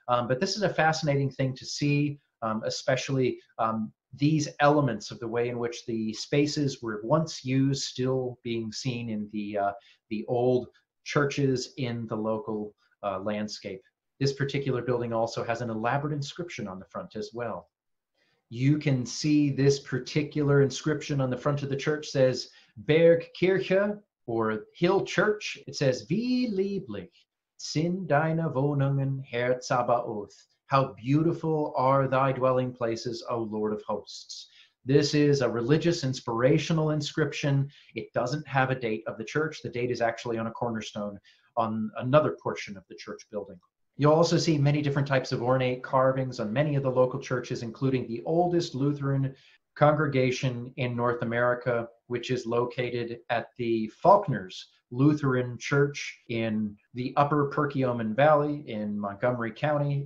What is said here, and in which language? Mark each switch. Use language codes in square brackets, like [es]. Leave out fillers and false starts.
[en] But this is a fascinating thing to see, especially these elements of the way in which the spaces were once used still being seen in the old churches in the local landscape. This particular building also has an elaborate inscription on the front as well. You can see this particular inscription on the front of the church says Berg Kirche, or Hill Church. It says, [de] Wie lieblich sind deine Wohnungen, Herr Zabaoth. [en] How beautiful are thy dwelling places, O Lord of hosts. This is a religious, inspirational inscription. It doesn't have a date of the church. The date is actually on a cornerstone on another portion of the church building. You'll also see many different types of ornate carvings on many of the local churches, including the oldest Lutheran congregation in North America, which is located at the Faulkner's Lutheran Church in the Upper Perkiomen Valley in Montgomery County.